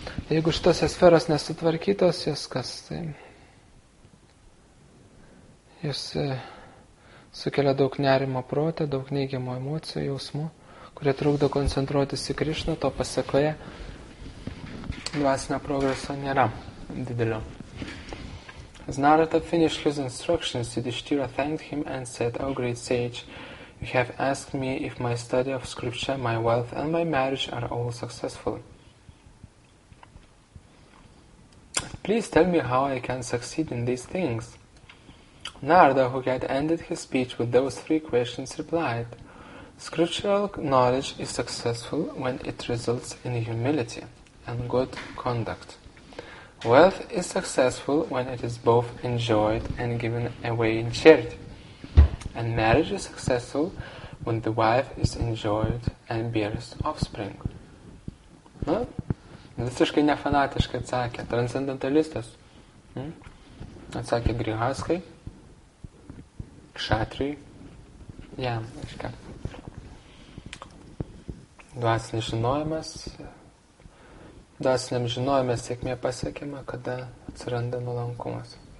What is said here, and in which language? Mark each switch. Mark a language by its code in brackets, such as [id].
[lt] Jeigu šitos sferos nesutvarkytos, jos kas, tai jos sukelia daug nerimo protę, daug neigiamo emocijų, jausmų, kurie trukdo koncentruotis į Krišną, to pasekoje dvasinio progreso nėra didelio. [en] As Narada finished his instructions, Yudhishthira thanked him and said, O great sage, you have asked me if my study of scripture, my wealth, and my marriage are all successful. Please tell me how I can succeed in these things. Narada, who had ended his speech with those three questions, replied, Scriptural knowledge is successful when it results in humility and good conduct. Wealth is successful when it is both enjoyed and given away in charity. And marriage is successful when the wife is enjoyed and bears offspring. [lt] Na, visiškai nefanatiškai atsakė, transcendentalistas. Atsakė Grihaskai, Kšatriui, jam, aiškia. Dvasinis žinojimas, dvasiniam žinojimas sėkmė pasiekima, kada atsiranda nulankumas.